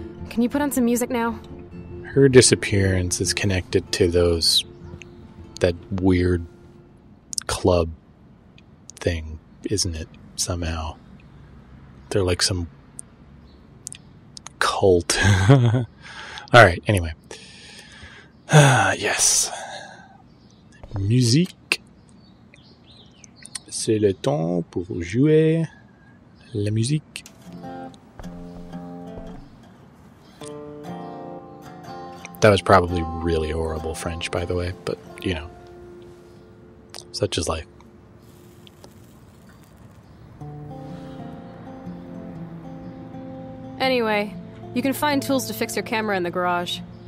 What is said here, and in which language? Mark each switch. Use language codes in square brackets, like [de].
[en] Can you put on some music now? Her disappearance is connected to those... that weird... club thing, isn't it? Somehow they're like some cult. Alright, anyway, yes, [fr] musique, c'est le temps pour jouer la musique. [en] That was probably really horrible French, by the way, but you know, such as life. Anyway, you can find tools to fix your camera in the garage.